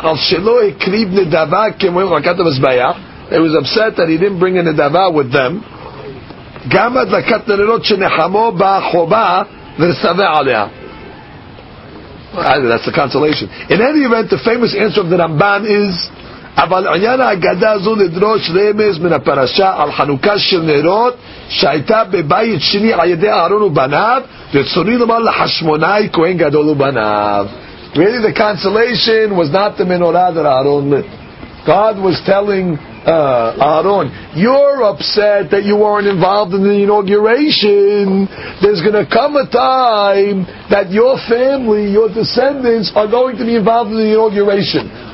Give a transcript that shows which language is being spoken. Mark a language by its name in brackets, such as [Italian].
[Hebrew] Al shelo ekriv nedava kemoel rakatav esbayah. [English] He was upset that he didn't bring a nedava with them. [Hebrew] Gamad lakat nerot shenechamo ba choba v'nistava aleha. [English] That's the consolation. In any event, the famous answer of the Ramban is. [Hebrew] אבל עניין ההגדה הזו נדרוש רמז מן הפרשה על חנוכה של נרות שהייתה בבית שני על ידי אהרון ובניו רצוני לומר לחשמונאי כהן גדול ובניו. [English] Really the consolation was not the menorah that Aaron lit. God was telling Aaron, you're upset that you weren't involved in the inauguration. There's going to come a time that your family, your descendants are going to be involved in the inauguration.